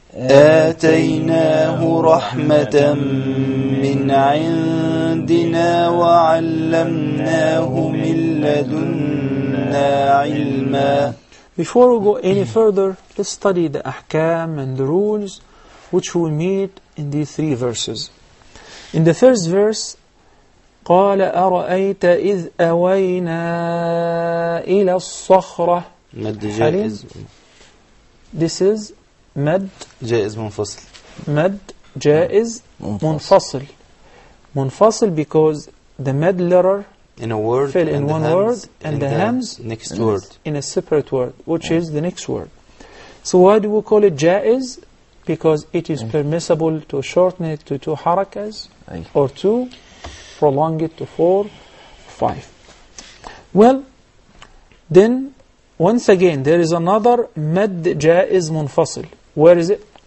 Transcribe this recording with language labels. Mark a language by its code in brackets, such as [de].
[ar] آتيناه رحمة من عندنا وعلمناه من لدنا علما [en] Before we go any further, let's study the ahkam and the rules which we meet in these three verses. In the first verse, [ar] قال أرأيت إذ أوينا إلى الصخرة مد جائز [en] This is مد [ar] جائز منفصل مد جائز منفصل منفصل [en] because the [ar] مد letter [en] in a word fell in one word and the hams next word in a separate word which is the next word so why do we call it جائز because it is permissible to shorten it to two harakas or two prolong it to four five well then once again there is another [ar] مد جائز منفصل [en] Where is it?